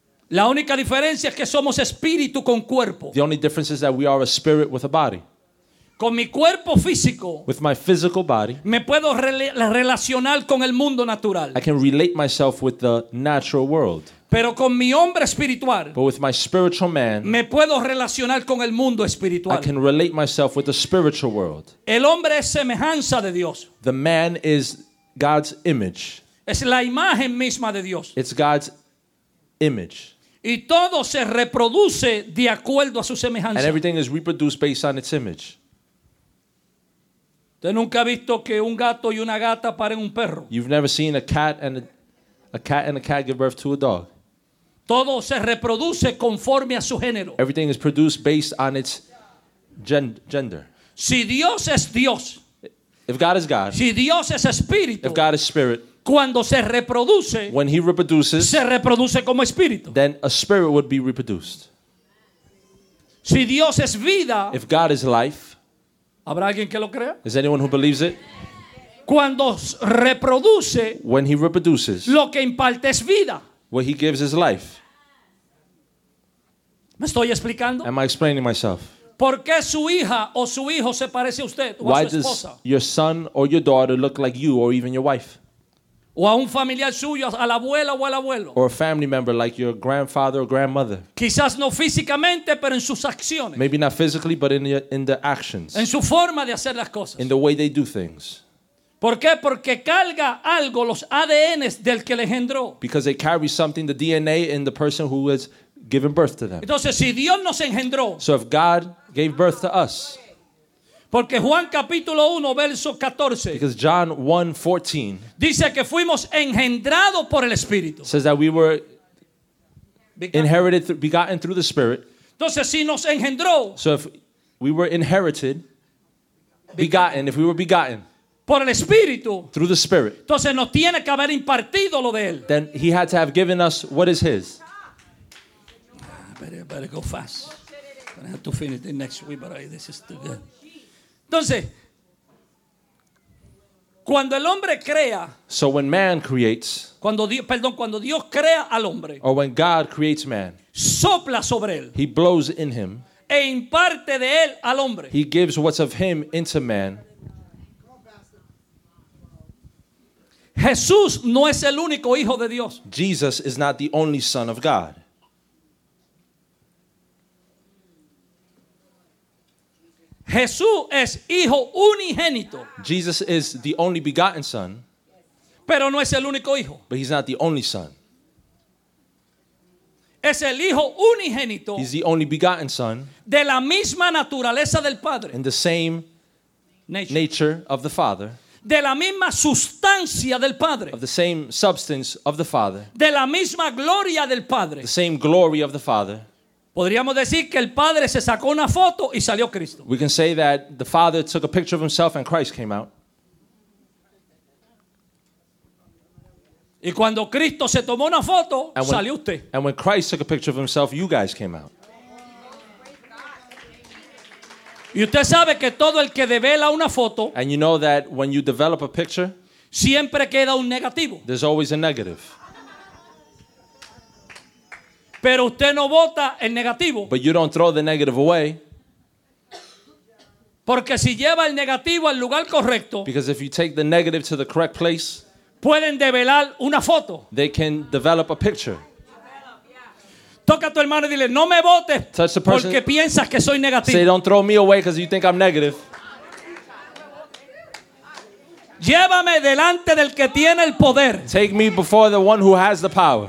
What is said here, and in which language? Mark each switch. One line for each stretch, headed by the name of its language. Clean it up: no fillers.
Spanish: La única diferencia es que somos espíritu con cuerpo.
English: The only difference is that we are a spirit with a body.
Spanish: Con mi cuerpo físico.
English: With my physical body.
Spanish: Me puedo relacionar con el mundo natural.
English: I can relate myself with the natural world.
Spanish: Pero con mi hombre espiritual.
English: But with my spiritual man.
Spanish: Me puedo relacionar con el mundo espiritual.
English: I can relate myself with the spiritual world.
Spanish: El hombre es semejanza de Dios.
English: The man is God's image.
Spanish: Es la imagen misma de Dios.
English: It's God's image.
Spanish: Y todo se reproduce de acuerdo a su semejanza.
English: And everything is reproduced based on its image.
Spanish: ¿Usted nunca ha visto que un gato y una gata paren un perro?
English: You've never seen a cat and a cat give birth to a dog.
Spanish: Todo se reproduce conforme a su género.
English: Everything is produced based on its gender.
Spanish: Si Dios es Dios.
English: If God is God.
Spanish: Si Dios es espíritu.
English: If God is spirit.
Spanish: Cuando se reproduce,
English: when he reproduces,
Spanish: se reproduce como espíritu.
English: Then a spirit would be reproduced.
Spanish: Si Dios es vida,
English: if God is life,
Spanish: ¿habrá alguien que lo crea?
English: Is anyone who believes it?
Spanish: Cuando reproduce,
English: when he reproduces,
Spanish: lo que imparte es vida.
English: What he gives is life.
Spanish: ¿Me estoy explicando?
English: Am I explaining myself?
Spanish: ¿Por qué su hija o su hijo se parece a usted o
English: why
Spanish: a su esposa?
English: Does your son or your daughter look like you or even your wife?
Spanish: O a un familiar suyo, a la abuela o al abuelo.
English: Or a family member like your grandfather or grandmother.
Spanish: Quizás no físicamente, pero en sus acciones.
English: Maybe not physically, but in the actions.
Spanish: En su forma de hacer las cosas.
English: In the way they do things.
Spanish: ¿Por qué? Porque carga algo, los ADNs del que le engendró.
English: Because they carry something, the DNA, in the person who has given birth to them.
Spanish: Entonces, si Dios nos engendró.
English: So if God gave birth to us.
Spanish: Porque Juan capítulo 1 verso 14.
English: Because John 1:14
Spanish: dice que fuimos engendrados por el Espíritu.
English: Says that we were inherited, begotten through the Spirit.
Spanish: Entonces si nos engendró.
English: So if we were inherited, begotten, if we were begotten.
Spanish: Por el Espíritu.
English: Through the Spirit.
Spanish: Entonces nos tiene que haber impartido lo de él.
English: Then he had to have given us what is his. I better go fast. I have to finish it next week, but this is too good.
Spanish: Entonces, cuando el hombre crea,
English: so when man creates,
Spanish: cuando Dios crea al hombre,
English: or when God creates man,
Spanish: sopla sobre él,
English: he blows in him,
Spanish: e imparte de él al hombre,
English: he gives what's of him into man.
Spanish: Jesús no es el único hijo de Dios.
English: Jesus is not the only son of God.
Spanish: Jesús es hijo unigénito.
English: Jesus is the only begotten son.
Spanish: Pero no es el único hijo.
English: But he's not the only son.
Spanish: Es el hijo unigénito.
English: He's the only begotten son.
Spanish: De la misma naturaleza del Padre.
English: In the same nature of the Father.
Spanish: De la misma sustancia del Padre.
English: Of the same substance of the Father.
Spanish: De la misma gloria del Padre.
English: The same glory of the Father.
Spanish: Podríamos decir que el Padre se sacó una foto y salió Cristo.
English: We can say that the Father took a picture of himself and Christ came out.
Spanish: Y cuando Cristo se tomó una foto, salió usted.
English: And when Christ took a picture of himself, you guys came out.
Spanish: Y usted sabe que todo el que devela una foto,
English: and you know that when you develop a picture,
Spanish: siempre queda un negativo.
English: There's always a negative.
Spanish: Pero usted no bota el negativo.
English: But you don't throw the negative away.
Spanish: Porque si lleva el negativo al lugar correcto,
English: because if you take the negative to the correct place,
Spanish: pueden develar una foto.
English: They can develop a picture.
Spanish: Toca a tu hermano y dile, no me votes porque piensas que soy negativo.
English: Say, don't throw me away because you think I'm negative.
Spanish: Llévame delante del que tiene el poder.
English: Take me before the one who has the power.